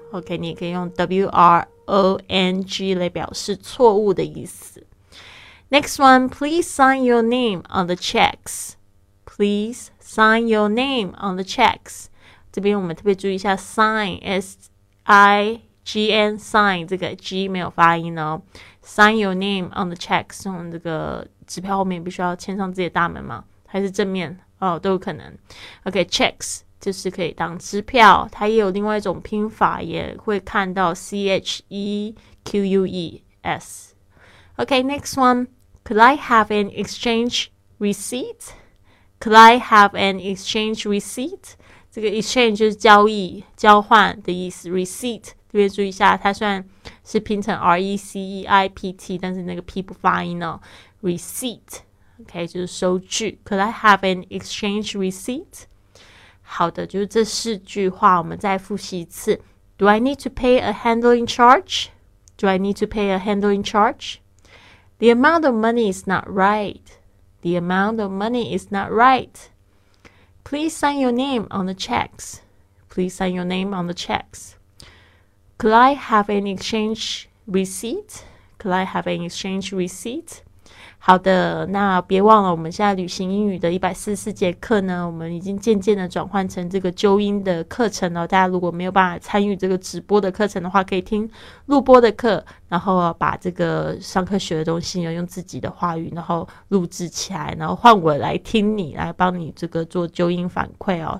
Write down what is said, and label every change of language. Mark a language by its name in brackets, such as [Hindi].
[Chinese] OK, 你也可以用 WRONG 来表示错误的意思。 [English] Next one, please sign your name on the checks. Please sign your name on the checks. [Chinese] 这边我们特别注意一下 sign, S-I-G-N, sign, 这个 G 没有发音哦。 Sign your name on the checks, 用这个支票后面必须要签上自己的大名吗？还是正面？哦，都有可能。OK, checks. 就是可以当支票，它也有另外一种拼法，也会看到 C-H-E-Q-U-E-S。 [English] OK, next one, Could I have an exchange receipt? Could I have an exchange receipt? [Chinese] 这个 exchange 就是交易交换的意思， receipt 特别注意一下，它虽然是拼成 R-E-C-E-I-P-T， 但是那个 P 不发音哦， receipt OK 就是收据。 [English] Could I have an exchange receipt? [Chinese] 好的，就是这四句话，我们再复习一次。 [English] Do I need to pay a handling charge? Do I need to pay a handling charge? The amount of money is not right. The amount of money is not right. Please sign your name on the checks. Please sign your name on the checks. Could I have an exchange receipt? Could I have an exchange receipt? [Chinese] 好的，那别忘了我们现在旅行英语的144节课呢，我们已经渐渐的转换成这个纠音的课程了。大家如果没有办法参与这个直播的课程的话，可以听录播的课，然后把这个上课学的东西呢用自己的话语然后录制起来，然后换我来听你，来帮你这个做纠音反馈哦。